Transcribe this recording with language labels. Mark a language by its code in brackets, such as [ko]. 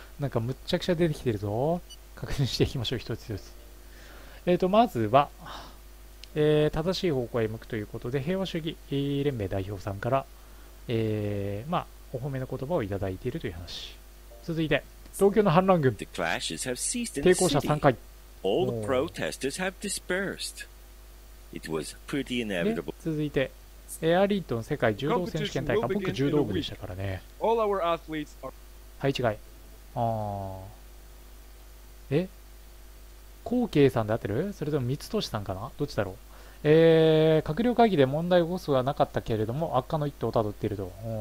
[ja] なんかむちゃくちゃ出てきてるぞ。確認していきましょう、一つ一つ。まずは、正しい方向へ向くということで、平和主義連盟代表さんから、お褒めの言葉をいただいているという話。続いて、東京の反乱軍、抵抗者3回。 [en] All the protesters have dispersed. It was pretty [ja] で、 [en] inevitable. [ja] 続いて、アリントン世界柔道選手権大会、僕、柔道部でしたからね。 [en] All our athletes are... [ja] はい、違い。ああ。え？コウケイさんで合ってる？それとも光俊さんかな？どっちだろう？閣僚会議で問題起こすはなかったけれども、悪化の一途をたどっていると。